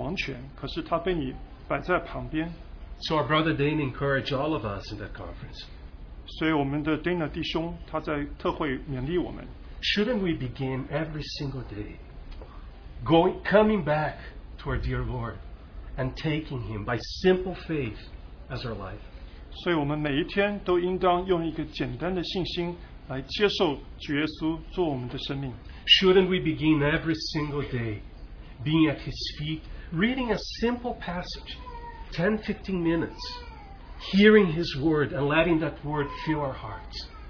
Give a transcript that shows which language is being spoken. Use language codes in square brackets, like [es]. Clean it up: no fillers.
[zh] 总是有一个可能他没有在你的心中掌王权可是他被你摆在旁边 [en] So our brother Dane encouraged all of us in that conference [zh] 所以我们的Dana弟兄他在特会勉励我们 [en] Shouldn't we begin every single day going, coming back to our dear Lord and taking Him by simple faith as our life? [zh] 所以我们每一天都应当用一个简单的信心来接受主耶稣做我们的生命。 [en] Shouldn't we begin every single day being at His feet, reading a simple passage, 10-15 minutes, hearing His Word and letting that Word fill our hearts?